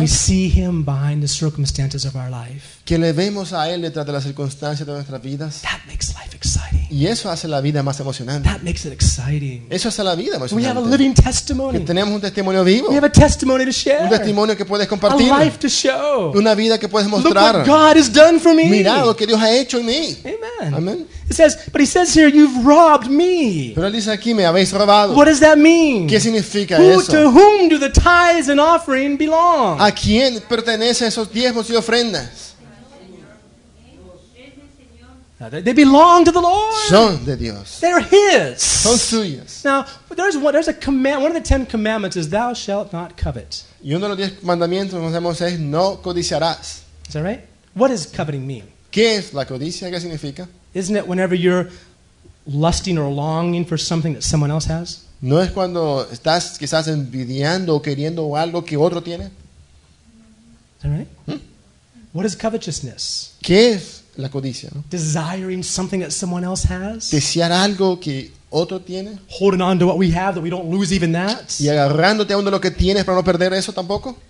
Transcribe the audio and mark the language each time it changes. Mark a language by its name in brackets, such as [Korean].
[English] We see him behind the circumstances of our life. [Spanish] Que le vemos a él detrás de las circunstancias de nuestras vidas. [English] That makes life exciting. [Spanish] Y eso hace la vida más emocionante. [English] That makes it exciting. [Spanish] Eso hace la vida emocionante. [English] We have a living testimony. [Spanish] Que tenemos un testimonio vivo. [English] We have a testimony to share. [Spanish] Un testimonio que puedes compartir. [English] A life to show. [Spanish] Una vida que puedes mostrar. [English] Look what God has done for me. [Spanish] Mira lo que Dios ha hecho en mí. [English] Amen. [Spanish] Amen. [English] It says, but he says here, you've robbed me. [Spanish] Pero él dice aquí, me habéis robado. [English] What does that mean? [Spanish] ¿Qué significa [English] Who, [Spanish] eso? [English] To whom do the tithes and offering belong? [Spanish] ¿A quién pertenecen esos diezmos y ofrendas? [English] They belong to the Lord. [Spanish] Son de Dios. [English] They're his. [Spanish] Son suyos. [English] Now, there's a command. One of the Ten Commandments is, thou shalt not covet. [Spanish] Y uno de los diez mandamientos que conocemos es, no codiciarás. [English] Is that right? What does coveting mean? [Spanish] ¿Qué es la codicia? ¿Qué significa? [English] Isn't it whenever you're lusting or longing for something that someone else has? [Spanish] ¿No es cuando estás quizás envidiando o queriendo algo que otro tiene? [English] Is that right? What is covetousness? [Spanish] ¿Qué es la codicia? ¿No? [English] Desiring something that someone else has? [Spanish] ¿Desear algo que otro tiene? [English] Holding on to what we have that we don't lose even that? [Spanish] ¿Y agarrándote aún de lo que tienes para no perder eso tampoco?